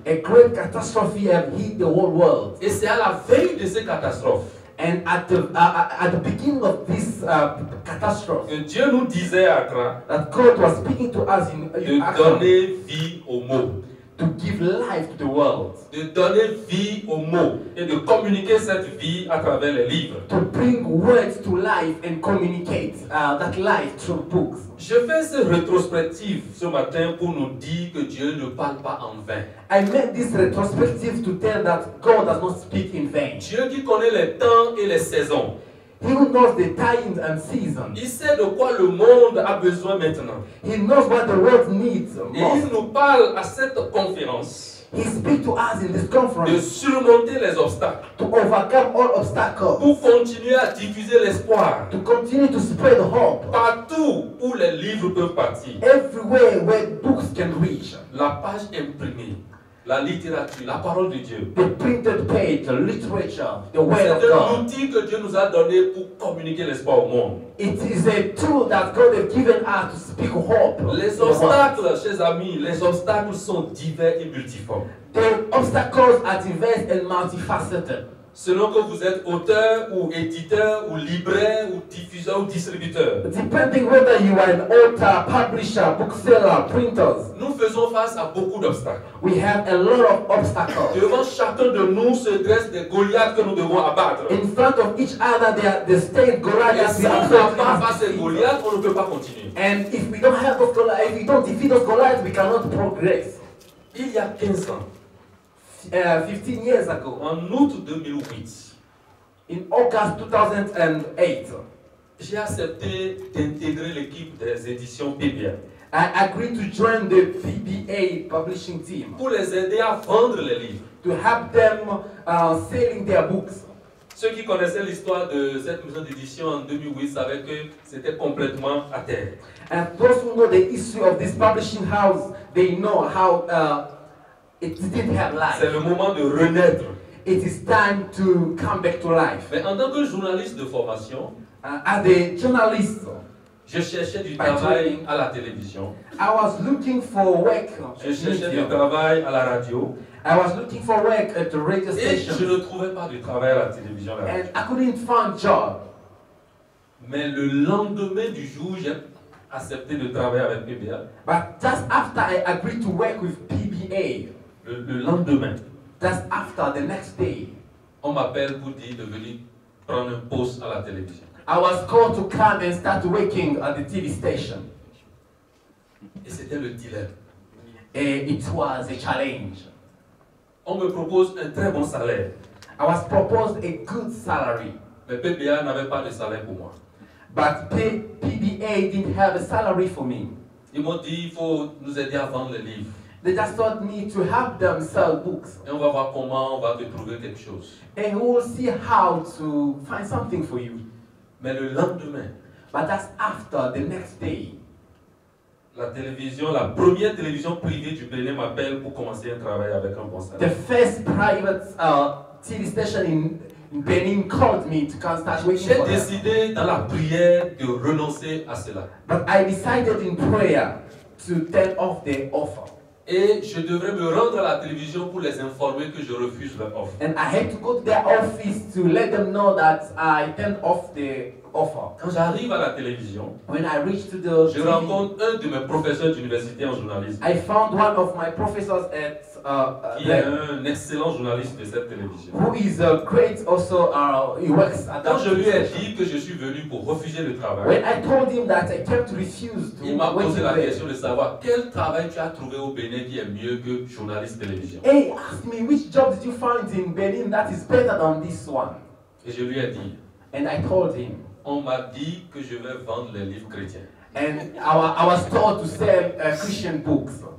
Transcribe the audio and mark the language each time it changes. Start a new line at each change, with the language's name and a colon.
English: A great catastrophe has hit the whole world.
French: Et c'est à la veille de cette catastrophe.
English: And at the beginning of this catastrophe.
French: Que Dieu nous disait à Accra.
English: That God was speaking to us in
French: Accra. De donner vie aux mots.
English: to give life to the world.
French: De donner vie aux mots et de communiquer cette vie à travers les livres.
English: To bring words to life and communicate that life through books.
French: Je fais ce rétrospectif ce matin pour nous dire que Dieu ne parle pas en vain.
English: I made this retrospective to tell that God does not speak in vain.
French: Dieu qui connaît les temps et les saisons.
English: He knows the times and seasons.
French: Il sait de quoi le monde a besoin maintenant.
English: He knows what the world needs most.
French: Et il nous parle à cette conférence.
English: He speaks to us in this conference.
French: De surmonter les obstacles.
English: To overcome all obstacles.
French: Pour continuer à diffuser l'espoir.
English: To continue to spread hope.
French: Partout où les livres peuvent partir.
English: Everywhere where books can reach.
French: La page imprimée. La littérature, la parole de Dieu.
English: The printed page, literature, the word of God.
French: C'est un outil que Dieu nous a donné pour communiquer l'espoir au monde.
English: It is a tool that God has given us to speak hope.
French: Les obstacles, chers amis, les obstacles sont divers et multiformes.
English: The obstacles are diverse and multifaceted.
French: Selon que vous êtes auteur ou éditeur ou libraire ou diffuseur ou distributeur.
English: Depending whether you are an author, publisher, bookseller, printers.
French: Nous faisons face à beaucoup d'obstacles.
English: We have a lot of obstacles.
French: Devant chacun de nous se dresse des Goliaths que nous devons abattre.
English: In front of each other there are the state Goliaths.
French: Et si nous n'avons pas face à Goliath, on ne peut pas continuer.
English: And if we don't have those Goliaths, if we don't defeat those Goliaths, we cannot progress.
French: Il y a 15 ans.
English: 15 years ago,
French: en août 2008,
English: in August 2008,
French: j'ai accepté d'intégrer l'équipe des éditions PBA.
English: I agreed to join the PBA publishing team.
French: Pour les aider à vendre les livres.
English: To help them selling their books.
French: Ceux qui connaissaient l'histoire de cette maison d'édition en 2008 savaient que c'était complètement à terre.
English: And those who know the history of this publishing house, they know how. It didn't have life.
French: C'est le moment de renaître.
English: It is time to come back to life.
French: Mais en tant que journaliste de formation,
English: as a journalist,
French: je cherchais du travail à la télévision.
English: I was looking for work.
French: Je cherchais du travail à la radio.
English: I was looking for work at the radio station.
French: Et je ne trouvais pas du travail à la télévision.
English: And I couldn't find job.
French: Mais le lendemain du jour, j'ai accepté de travailler avec PBA.
English: But just after I agreed to work with PBA.
French: Le lendemain,
English: that's after the next day,
French: on m'appelle pour dire de venir prendre un poste à la télévision.
English: I was called to come and start working at the TV station.
French: Et c'était le dilemme.
English: And it was a challenge.
French: On me propose un très bon salaire.
English: I was proposed a good salary.
French: Mais PBA n'avait pas de salaire pour moi.
English: But PBA didn't have a salary for me.
French: Ils m'ont dit il faut nous aider à vendre les livres.
English: They just told me to help them sell books.
French: Et on va voir comment on va te trouver quelque chose.
English: And we'll see how to find something for you.
French: Mais le lendemain.
English: But that's after the next day.
French: La télévision, la première télévision privée du Benin m'appelle pour commencer un travail avec un bon salaire.
English: The first private TV station in Benin called me to come start working.
French: J'ai décidé dans la prière de renoncer à cela.
English: But I decided in prayer to turn off the offer.
French: Et je devrais me rendre à la télévision pour les informer que je refuse leur offre.
English: And I had to go to their office to let them know that I turned off the offer.
French: Quand j'arrive à la télévision,
English: when I reached to the
French: je rencontre un de mes professeurs d'université en journalisme.
English: I found one of my professors at
French: qui est un excellent journaliste de cette télévision.
English: Who is a great also he works at
French: quand je lui ai dit que je suis venu pour refuser le travail,
English: when I told him that I kept refused to
French: il m'a posé la question de savoir quel travail tu as trouvé au Bénin qui est mieux que journaliste télévision.
English: Hey, ask me which job did you find in Benin that is better than this one.
French: Et je lui ai dit.
English: And I told him.
French: On m'a dit que je vais vendre les livres chrétiens.
English: And I was told to sell Christian books.